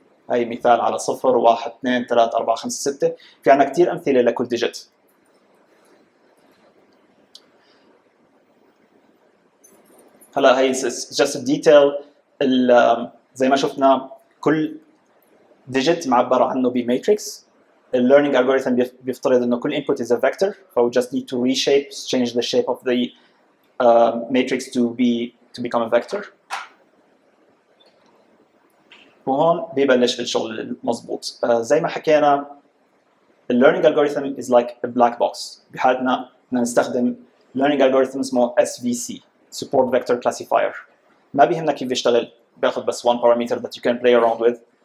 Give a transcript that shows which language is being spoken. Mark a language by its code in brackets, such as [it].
[ar] هاي مثال على 0 1 2 3 4 5 6. في عنا كتير أمثلة لكل ديجيت. هلا هاي [en] just a detail. [ar] زي ما شفنا كل ديجيت معبر عنه ب matrix. [en] The learning algorithm [ar] بيفترض انه كل [en] input is a vector. [ar] فهو [en] just need to reshape, change the shape of the matrix to become a vector. [ar] وهون بيبلش الشغل المضبوط. زي ما حكينا [en] the learning algorithm is like a black box. [ar] بحالتنا نستخدم learning algorithm اسمه SVC, support vector classifier. ما بيهمنا كيف يشتغل, بياخذ بس [en] one parameter that you can play around with.